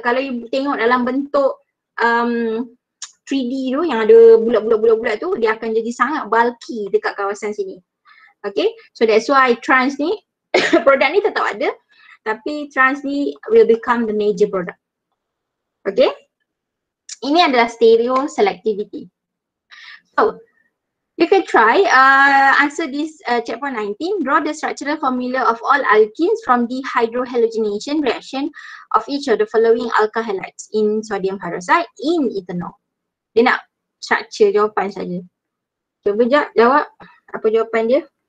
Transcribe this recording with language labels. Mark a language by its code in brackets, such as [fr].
[ms] Kalau you tengok dalam bentuk 3D tu yang ada bulat-bulat-bulat-bulat tu, dia akan jadi sangat bulky dekat kawasan sini. Okay, so that's why trans ni, produk ni tetap ada. [en] Tapi trans ni will become the major product. [ms] Okay? Ini adalah stereo selectivity. [en] So, you can try answer this chapter 19. Draw the structural formula of all alkenes from the hydrohalogenation reaction of each of the following alkalides in sodium hydroxide in ethanol. [ms] Dia nak structure jawapan saja. Cuba jap jawab apa jawapan dia.